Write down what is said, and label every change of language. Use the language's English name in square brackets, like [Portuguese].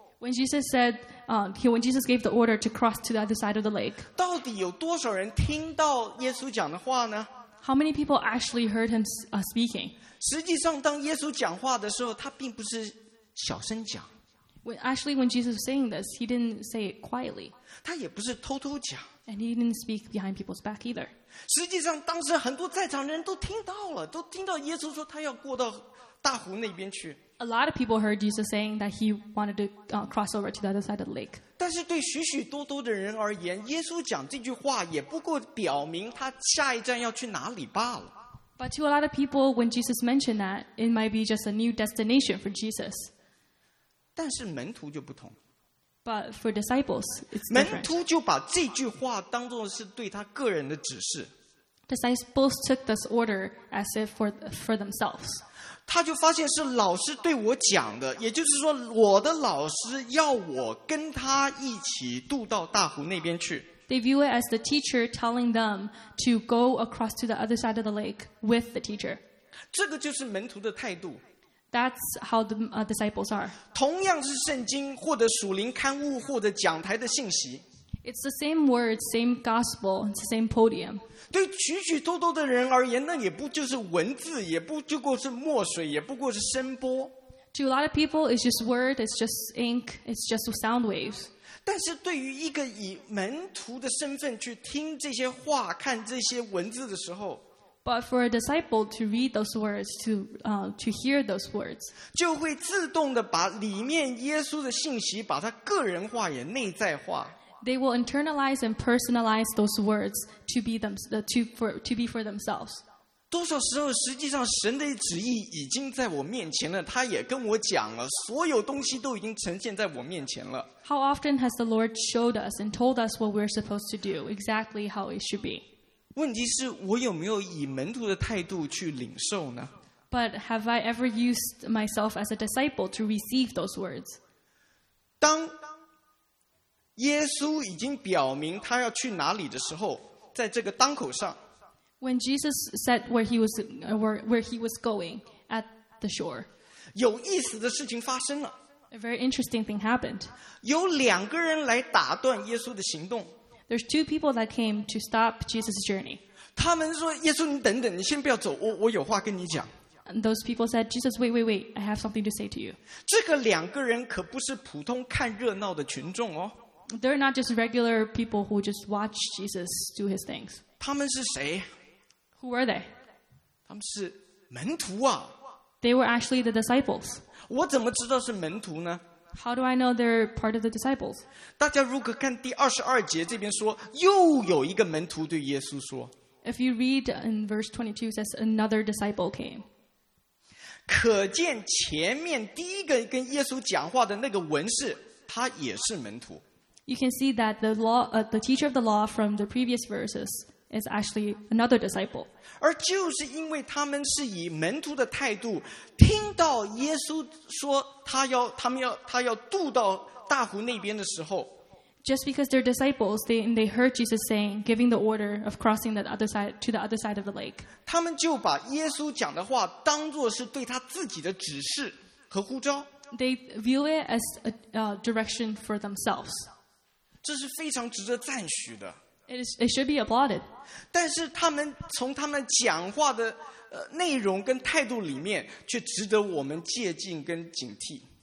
[English] ，When Jesus said, when Jesus gave the order to cross to the other side of the lake, [Chinese] 到底有多少人听到耶稣讲的话呢 [English] ？How many people actually heard him speaking? [Chinese] 实际上，当耶稣讲话的时候，他并不是小声讲。 [English] When Jesus was saying this, he didn't say it quietly. [Chinese] 他也不是偷偷讲。 [English] And he didn't speak behind people's back either. [Chinese] 实际上，当时很多在场的人都听到了，都听到耶稣说他要过到大湖那边去。 [English] A lot of people heard Jesus saying that he wanted to cross over to the other side of the lake. [Chinese] 但是对许许多多的人而言，耶稣讲这句话也不过表明他下一站要去哪里罢了。 [English] But to a lot of people, when Jesus mentioned that, it might be just a new destination for Jesus. [Chinese] 但是门徒就不同。 [English] But for disciples, it's different. [Chinese] 门徒就把这句话当作是对他个人的指示。 [English] Disciples took this order as if for themselves. [Chinese] 他就发现是老师对我讲的，也就是说，我的老师要我跟他一起渡到大湖那边去。 [English] They view it as the teacher telling them to go across to the other side of the lake with the teacher. [Chinese] 这个就是门徒的态度。 [English] That's how the disciples are. [Chinese] 同样是圣经或者属灵刊物或者讲台的信息。 [English] It's the same word, same gospel, it's the same podium. [Chinese] 对许许多多的人而言，那也不就是文字，也不就过是墨水，也不过是声波。 [English] To a lot of people, it's just word, it's just ink, it's just sound waves. [Chinese] 但是对于一个以门徒的身份去听这些话、看这些文字的时候。 [English] But for a disciple to read those words, to hear those words, [Chinese] 就会自动的把里面耶稣的信息把它个人化也内在化。 [English] They will internalize and personalize those words to be for themselves. [Chinese] 多少时候实际上神的旨意已经在我面前了，他也跟我讲了，所有东西都已经呈现在我面前了。 [English] How often has the Lord showed us and told us what we're supposed to do, exactly how it should be? [Chinese] 问题是我有没有以门徒的态度去领受呢？ [English] But have I ever used myself as a disciple to receive those words? [Chinese] 当耶稣已经表明他要去哪里的时候，在这个当口上， [English] When Jesus said where he was going at the shore, [Chinese] 有意思的事情发生了。 [English] A very interesting thing happened. [Chinese] 有两个人来打断耶稣的行动。 [English] There's two people that came to stop Jesus' journey. [Chinese] 他们说：“耶稣，你等等，你先不要走，我有话跟你讲。” [English] And those people said, "Jesus, wait, I have something to say to you." [Chinese] 这个两个人可不是普通看热闹的群众哦。 [English] They're not just regular people who just watch Jesus do his things. [Chinese] 他们是谁？ [English] Who are they? [Chinese] 他们是门徒啊。 [English] They were actually the disciples. [Chinese] 我怎么知道是门徒呢？ [English] How do I know they're part of the disciples? [Chinese] 大家如果看第22节这边说，又有一个门徒对耶稣说。 [English] If you read in verse 22, it says another disciple came. [Chinese] 可见前面第一个跟耶稣讲话的那个文士，他也是门徒。 [English] You can see that the teacher of the law from the previous verses is actually another disciple. [Chinese] 而就是因为他们是以门徒的态度，听到耶稣说他要渡到大湖那边的时候。 [English] Just because they're disciples, they heard Jesus saying, giving the order of crossing the other side to the other side of the lake. [Chinese] 他们就把耶稣讲的话当作是对他自己的指示和呼召。 [English] They view it as a direction for themselves. [Chinese] 这是非常值得赞许的。 [English] It should be applauded. [Chinese] 但是他们从他们讲话的内容跟态度里面，却值得我们借鉴跟警惕。